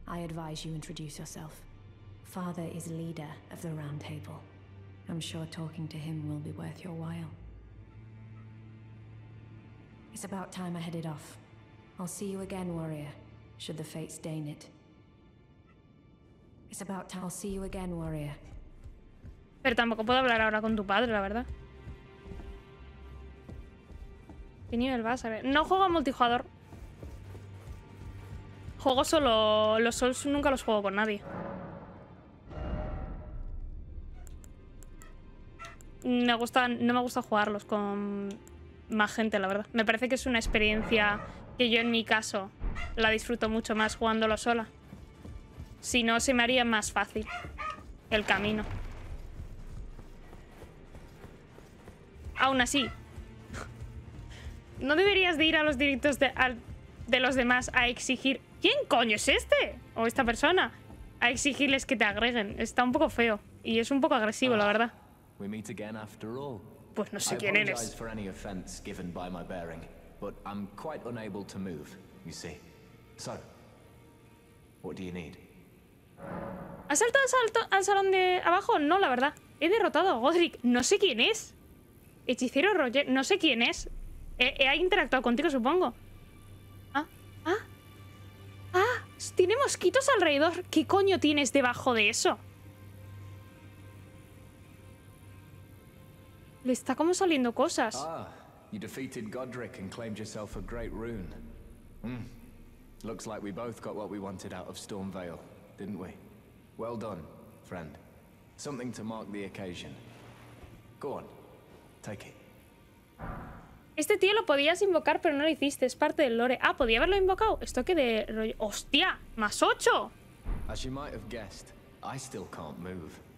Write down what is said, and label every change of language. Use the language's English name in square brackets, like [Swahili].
[English] I advise you introduce yourself. Father is leader of the round table. I'm sure talking to him will be worth your while. It's about time I headed off. I'll see you again, warrior, should the fates deign it. It's about time I'll see you again, warrior. [Spanish] Pero tampoco puedo hablar ahora con tu padre, la verdad. ¿Qué nivel vas a ver? No juego a multijugador. Juego solo... Los Souls nunca los juego con nadie. No me gusta jugarlos con más gente, la verdad. Me parece que es una experiencia que yo, en mi caso, la disfruto mucho más jugándolo sola. Si no, se me haría más fácil el camino. Aún así, no deberías de ir a los directos de los demás a exigir... ¿Quién coño es este? ¿O esta persona? A exigirles que te agreguen. Está un poco feo y es un poco agresivo, la verdad. [English] We meet again after all. [Spanish] Pues no sé quién eres. [English] For any offense given by my bearing, but I'm quite unable to move, you see. So, what do you need? [Spanish] ¿Has saltado al salón de abajo? No, la verdad. He derrotado a Godric. No sé quién es. Hechicero Roger. No sé quién es. He interactuado contigo, supongo. Ah, ah. Ah, tiene mosquitos alrededor. ¿Qué coño tienes debajo de eso? Le está como saliendo cosas. [English] Ah, you defeated Godric and claimed yourself a great rune. Mm. Looks like we both got what we wanted out of Stormvale, didn't we? Well done, friend. Something to mark the occasion. Go on, take it. [Spanish] Este tío lo podías invocar, pero no lo hiciste. Es parte del lore. Ah, podía haberlo invocado. Esto que de rollo. ¡Hostia! ¡Más 8! [English] As you might have guessed, I still can't move.